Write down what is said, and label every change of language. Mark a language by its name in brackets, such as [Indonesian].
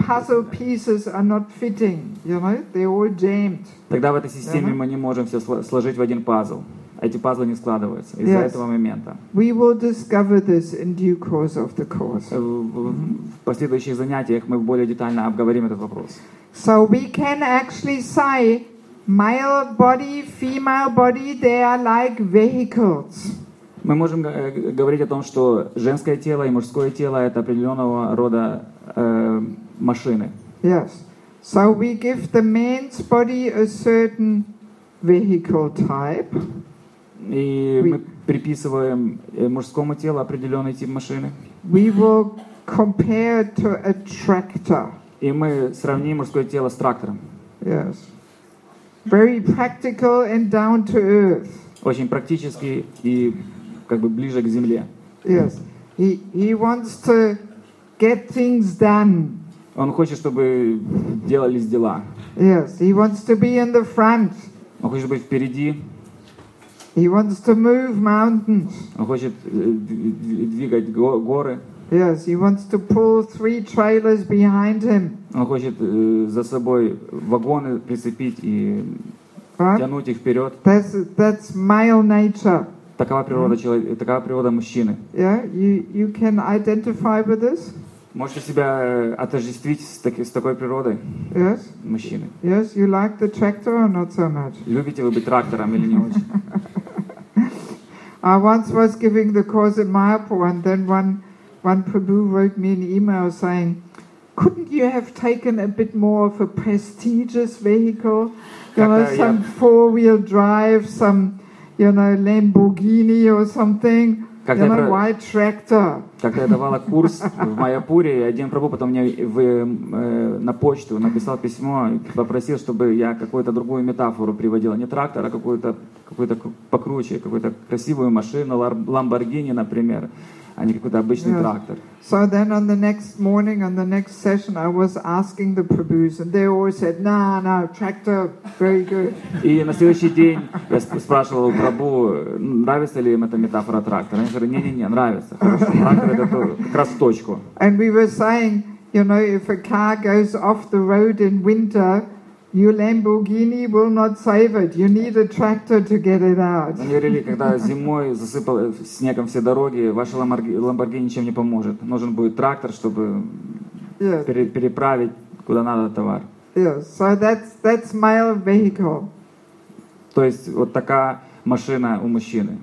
[English] The puzzle pieces are not fitting, you know? They're all jammed. [Russian] Тогда в этой системе мы не можем все сложить в один пазл. Эти пазлы не складываются из-за этого момента. [English] We will discover this in due course of the course. [Russian] В последующих занятиях мы более детально обговорим этот вопрос. [English] So we can actually say male body, female body, they are like vehicles. [Russian] Мы можем говорить о том, что женское тело и мужское тело — это определенного рода машины. [English] Yes. So we give the man's body a certain vehicle type. [Russian] И мы приписываем мужскому телу определенный тип машины. [English] We will compare to a tractor. [Russian] И мы сравним мужское тело с трактором. [English] Yes. Very practical and down to earth. [Russian] Очень практический и как бы ближе к земле. [English] Yes. He wants to get things done. [Russian] Он хочет, чтобы делались дела. [English] Yes. He wants to be in the front. [Russian] Он хочет быть впереди. [English] He wants to move mountains. [Russian] Он хочет двигать горы. [English] Yes. He wants to pull three trailers behind him. [Russian] Он хочет за собой вагоны прицепить и тянуть их вперед. [English] That's male nature. [Russian] Такова природа человека, такова природа мужчины. [English] Yeah, you can identify with this. [Russian] Можете себя отождествить с такой природой? [English] Yes. [Russian] Мужчины. [English] Yes, you like the tractor or not so much? [Russian] Любите вы быть трактором или не очень? [English] I once was giving the course at Mayapur, and then one Prabhu wrote me an email saying, couldn't you have taken a bit more of a prestigious vehicle? You know, some four-wheel drive, some, you know, Lamborghini or something. You know, why tractor? [Russian] Как-то я давала курс в Майяпуре, и один пробу потом мне на почту написал письмо и попросил, чтобы я какую-то другую метафору приводила. Не трактор, а какую-то покруче, какую-то красивую машину, Lamborghini, например, а не какой-то обычный трактор. [English] So then on the next morning, on the next session, I was asking the Prabhus, and they always said, no, tractor, very good. [Russian] И на следующий день я спрашивал у Прабу, нравится ли им эта метафора трактора. Они говорят, не, нравится. Хорошо, трактор — это как раз в точку. [English] And we were saying, you know, if a car goes off the road in winter, your Lamborghini will not save it. You need a tractor to get it out. [Russian] Они говорили, когда зимой засыпало снегом все дороги, ваша Lamborghini ничем не поможет. Нужен будет трактор, чтобы переправить куда надо товар. [English] Yes, so that's male vehicle. [Russian] То есть вот такая машина у мужчины.